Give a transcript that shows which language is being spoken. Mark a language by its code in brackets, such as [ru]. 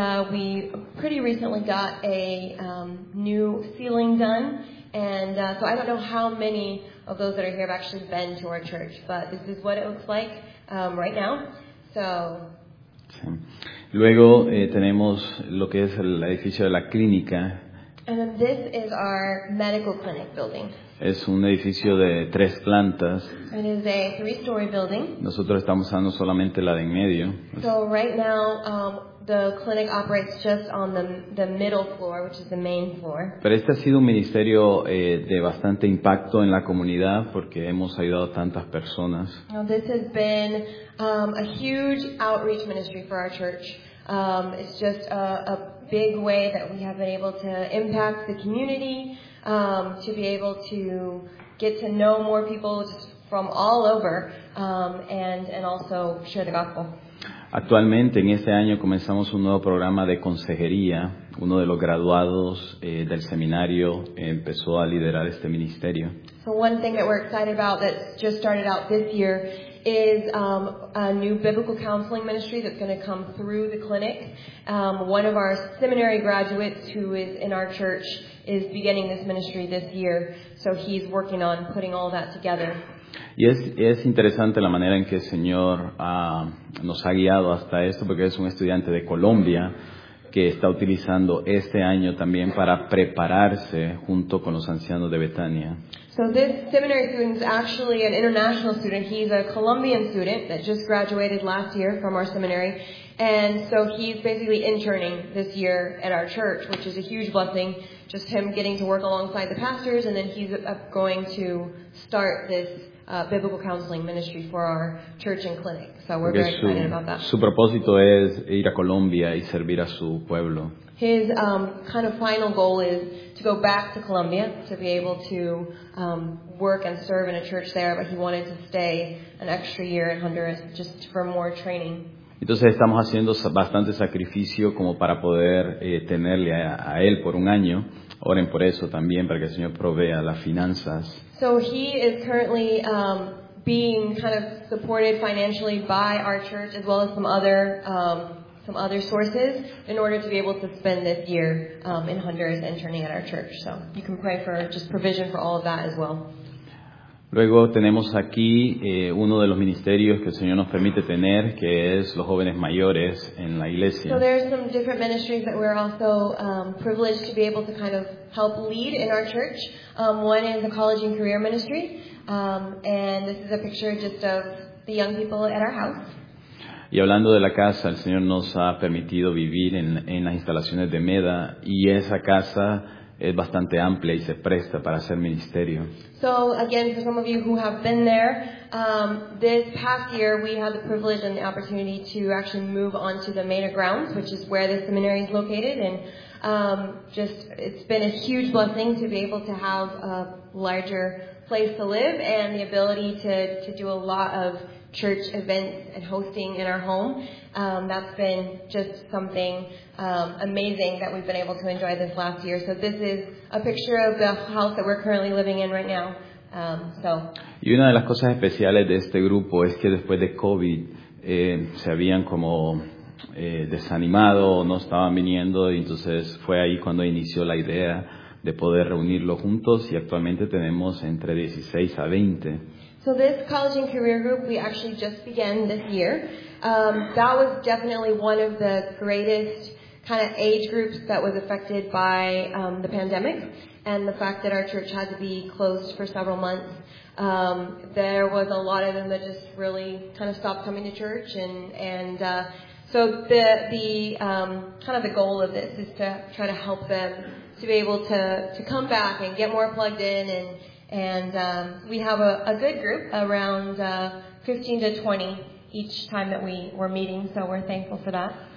[en] We pretty recently got a new ceiling done. So I don't know how many of those that are here have actually been to our church, but this is what it looks like right now. So. [es] Luego tenemos lo que es el edificio de la clínica. [en] And then this is our medical clinic building. [es] Es un edificio de tres plantas. [en] It is a three-story building. [es] Nosotros estamos usando solamente la de en medio. [en] So right now the clinic operates just on the middle floor, which is the main floor. [es] Pero este ha sido un ministerio de bastante impacto en la comunidad porque hemos ayudado a tantas personas. [en] Now this has been a huge outreach ministry for our church. It's just a big way that we have been able to impact the community, to be able to get to know more people from all over, and also share the gospel. [es] Actualmente, en este año, comenzamos un nuevo programa de consejería. Uno de los graduados del seminario empezó a liderar este ministerio. [en] So one thing that we're excited about that just started out this year is a new biblical counseling ministry that's going to come through the clinic. One of our seminary graduates who is in our church is beginning this ministry this year, so he's working on putting all that together. [es] Y es interesante la manera en que el Señor nos ha guiado hasta esto, porque es un estudiante de Colombia que está utilizando este año también para prepararse junto con los ancianos de Betania. [en] So this seminary student is actually an international student. He's a Colombian student that just graduated last year from our seminary. And so he's basically interning this year at our church, which is a huge blessing. Just him getting to work alongside the pastors, and then he's going to start this biblical counseling ministry for our church and clinic. So we're very excited about that. [es] Su propósito es ir a Colombia y servir a su pueblo. [en] His kind of final goal is to go back to Colombia to be able to work and serve in a church there, but he wanted to stay an extra year in Honduras just for more training. [es] Entonces estamos haciendo bastante sacrificio como para poder tenerle a él por un año. Oren por eso también para que el Señor provea las finanzas. [en] So he is currently being kind of supported financially by our church as well as some other sources in order to be able to spend this year in Honduras interning at our church. So you can pray for just provision for all of that as well. [es] Luego tenemos aquí uno de los ministerios que el Señor nos permite tener, que es los jóvenes mayores en la iglesia. [en] So there are some different ministries that we're also privileged to be able to kind of help lead in our church. One is the college and career ministry, and this is a picture just of the young people at our house. [es] Y hablando de la casa, el Señor nos ha permitido vivir en las instalaciones de MEDA, y esa casa es bastante amplia y se presta para hacer ministerio. [en] So again, for some of you who have been there, this past year we had the privilege and the opportunity to actually move onto the MEDA grounds, which is where the seminary is located, and just it's been a huge blessing to be able to have a larger place to live and the ability to do a lot of church events and hosting in our home. That's been just something amazing that we've been able to enjoy this last year. So this is a picture of the house that we're currently living in right now. [es] Y una de las cosas especiales de este grupo es que después de COVID se habían como desanimado, no estaban viniendo, y entonces fue ahí cuando inició la idea de poder reunirlo juntos, y actualmente tenemos entre 16 a 20. [en] So this college and career group we actually just began this year. That was definitely one of the greatest kind of age groups that was affected by the pandemic and the fact that our church had to be closed for several months. There was a lot of them that just really kind of stopped coming to church, and so the kind of the goal of this is to try to help them to be able to come back and get more plugged in, and we have a good group around 15 to 20 each time that we were meeting, so we're thankful for that.